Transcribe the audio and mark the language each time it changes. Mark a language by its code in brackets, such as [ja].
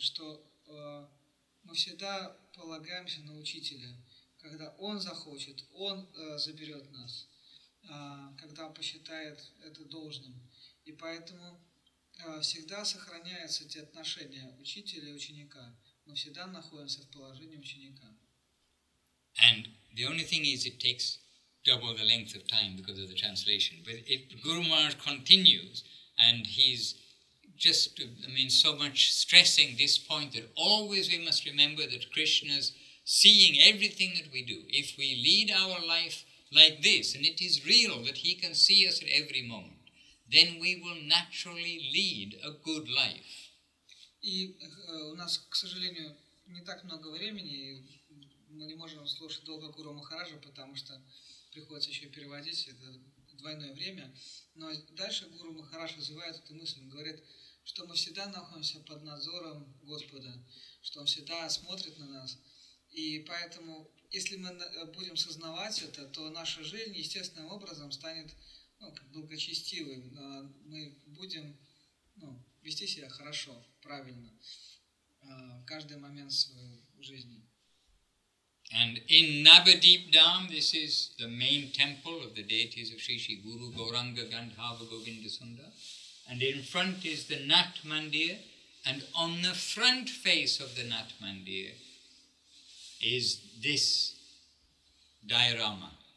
[ru] Что мы всегда полагаемся на учителя. Когда он захочет, он заберет нас. Когда он посчитает это должным. И поэтому всегда сохраняются те отношения учителя и ученика. Мы всегда находимся в положении ученика. [en] And the only thing is it takes double the length of time because of the translation. But if Guru Maharaj continues and he's just, I mean, so much stressing this point that always we must remember that Krishna's seeing everything that we do. If we lead our life like this, and it is real that he can see us at every moment, then we will naturally lead a good life. [ru] И у нас, к сожалению, не так много времени, и мы не можем слушать долго Гуру Махараджа, потому что приходится еще переводить, это двойное время. Но дальше Гуру Махарадж развивает эту мысль, он говорит, что мы всегда находимся под надзором Господа, что Он всегда смотрит на нас. И поэтому, если мы будем сознавать это, то наша жизнь естественным образом станет благочестивым, мы будем вести себя хорошо, правильно, каждый момент своей жизни. [en] And in Nabadeep Dham, this is the main temple of the deities of Shri Shri Guru Gauranga Gandhava Govinda Sundar. And in front is the Nat Mandir. And on the front face of the Nat Mandir is this diorama.